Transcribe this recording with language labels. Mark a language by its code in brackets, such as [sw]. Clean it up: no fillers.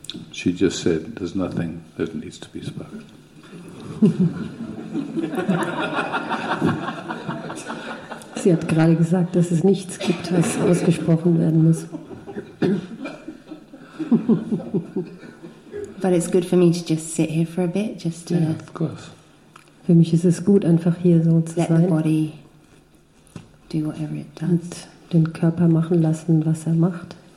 [en] She just said, "There's nothing that needs to be spoken." [de] Sie hat gerade gesagt, dass es nichts gibt, was ausgesprochen werden muss. [en] But it's good for me to just sit here for a bit, just to. Yeah, of course. [de] Für mich ist es gut, einfach hier so zu [en] let [de] sein. [en] Let the body do whatever it does. [de] Und den Körper machen lassen, was er macht.